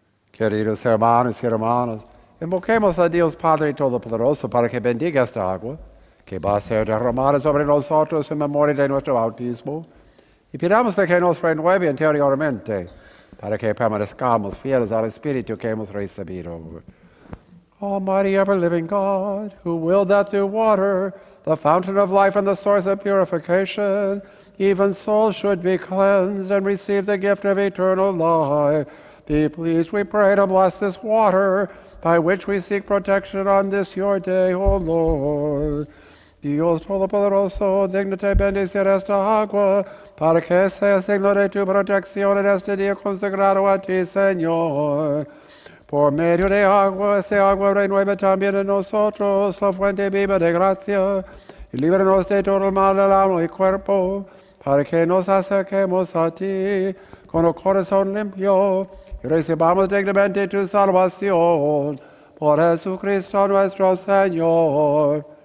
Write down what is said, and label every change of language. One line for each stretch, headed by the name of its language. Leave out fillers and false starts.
Spanish: Queridos hermanos y hermanas, invoquemos a Dios Padre Todopoderoso para que bendiga esta agua, que va a ser derramada sobre nosotros en memoria de nuestro bautismo, y pidamos que nos renueve interiormente para que permanezcamos fieles al Espíritu que hemos recibido.
English: Almighty, ever-living God, who willed that through water, the fountain of life and the source of purification, even souls should be cleansed and receive the gift of eternal life, be pleased, we pray, to bless this water, by which we seek protection on this your day, O Lord.
Spanish: Dios Todopoderoso, dignate bendecir esta agua, para que sea signo de tu protección en este día consagrado a ti, Señor. Por medio de agua, ese agua renueve también en nosotros la fuente viva de gracia, y líbranos de todo el mal del alma y cuerpo, para que nos acerquemos a ti con el corazón limpio, y recibamos dignamente tu salvación, por Jesucristo nuestro Señor.